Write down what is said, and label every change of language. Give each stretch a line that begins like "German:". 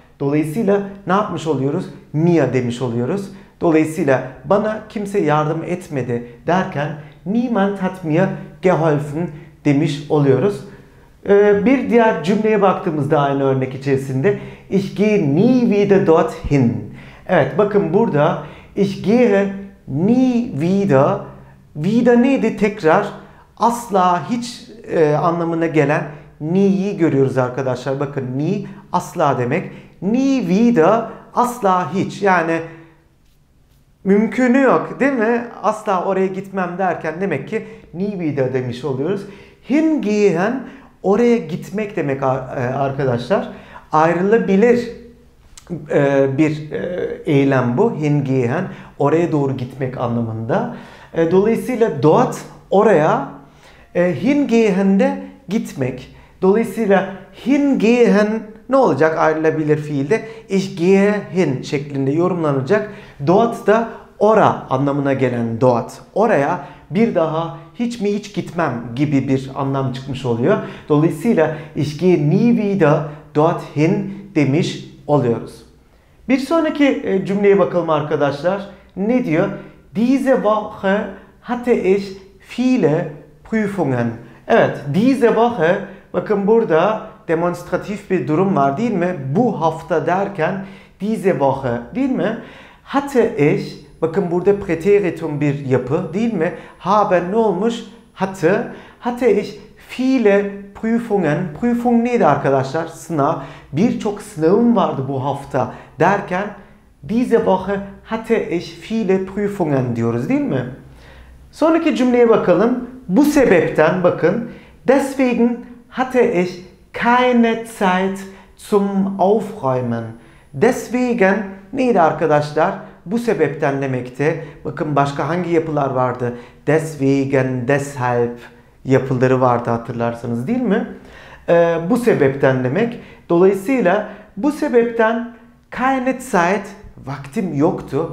Turkish: Dolayısıyla ne yapmış oluyoruz? Mia demiş oluyoruz. Dolayısıyla bana kimse yardım etmedi derken
German: niemand hat mir geholfen
Turkish: demiş oluyoruz. Bir diğer cümleye baktığımızda aynı örnek içerisinde
German: Ich gehe nie wieder dorthin.
Turkish: Evet, bakın burada
German: Ich gehe nie wieder.
Turkish: Wieder neydi? Tekrar. Asla, hiç anlamına gelen nie'yi görüyoruz arkadaşlar. Bakın nie asla demek. Nie wieder asla, hiç. Yani mümkünü yok değil mi? Asla oraya gitmem derken demek ki nie wieder demiş oluyoruz. Hin gehen oraya gitmek demek arkadaşlar. Ayrılabilir bir eylem bu. Hingehen, oraya doğru gitmek anlamında. Dolayısıyla dort oraya, hingehen de gitmek. Dolayısıyla hingehen ne olacak ayrılabilir fiilde?
German: Ich gehe hin
Turkish: şeklinde yorumlanacak. Dort da ora anlamına gelen dort. Oraya bir daha hiç mi hiç gitmem gibi bir anlam çıkmış oluyor. Dolayısıyla
German: Ich gehe nie wieder dorthin
Turkish: demiş oluyoruz. Bir sonraki cümleye bakalım arkadaşlar. Ne diyor?
German: Diese Woche hatte ich viele Prüfungen.
Turkish: Evet, diese Woche, bakın burada demonstratif bir durum var değil mi? Bu hafta derken diese Woche değil mi? Hatte ich, bakın burada preteritum bir yapı değil mi? Haben ne olmuş? Hatte.
German: Hatte ich viele Prüfungen.
Turkish: Prüfung neydi arkadaşlar? Sınav. Birçok sınavım vardı bu hafta derken
German: diese Woche hatte ich viele Prüfungen
Turkish: diyoruz değil mi? Sonraki cümleye bakalım. Bu sebepten, bakın,
German: deswegen hatte ich keine Zeit zum Aufräumen.
Turkish: Deswegen neydi arkadaşlar? Bu sebepten demekti. Bakın başka hangi yapılar vardı? Deswegen, deshalb yapıları vardı hatırlarsanız değil mi? Bu sebepten demek. Dolayısıyla bu sebepten keine Zeit, vaktim yoktu.